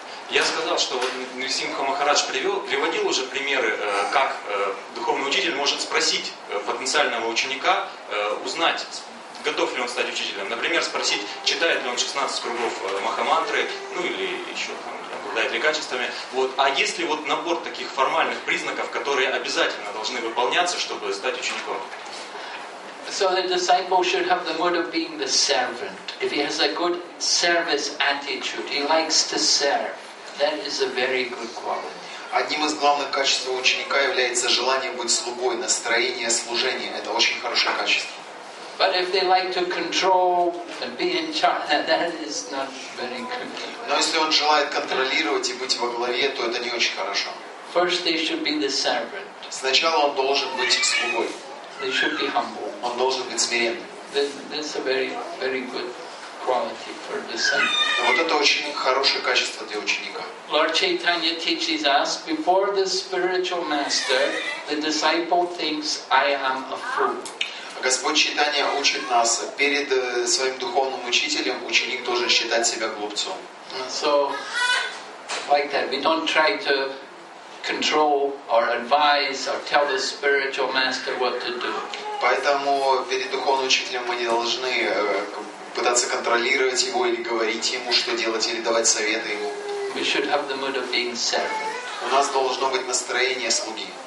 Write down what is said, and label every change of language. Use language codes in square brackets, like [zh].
[ru] Я сказал, что вот Нрисимха Махарадж приводил уже примеры, как духовный учитель может спросить потенциального ученика, узнать, готов ли он стать учителем. Например, спросить, читает ли он 16 кругов Махамантры, ну или еще там, обладает ли качествами. Вот. А есть ли вот набор таких формальных признаков, которые обязательно должны выполняться, чтобы стать учеником? [en] So the disciple should have the mood of being the servant. If he has a good service attitude, he likes to serve. That is a very good quality. [ru] Одним из главных качеств ученика является желание быть слугой, настроение служения. Это очень хорошее качество. [en] But if they like to control and be in charge, that is not very good. [ru] Но если он желает контролировать и быть во главе, то это не очень хорошо. [en] First they should be the servant. [ru] Сначала он должен быть слугой. [en] They should be humble. [ru] Он должен быть смиренным. [en] That's a very, very good quality for the disciple. [ru] Вот это очень хорошее качество для ученика. [en] Lord Chaitanya teaches us, before the spiritual master, the disciple thinks, I am a fool. [ru] Господь Чайтанья учит нас, перед своим духовным учителем ученик должен считать себя глупцом. [en] So, like that, we don't try to control or advise or tell the spiritual master what to do. [ru] Поэтому перед духовным учителем мы не должны пытаться контролировать его или говорить ему, что делать, или давать советы ему. [en] We should have the mood of being servant. [ru] У нас должно быть настроение слуги.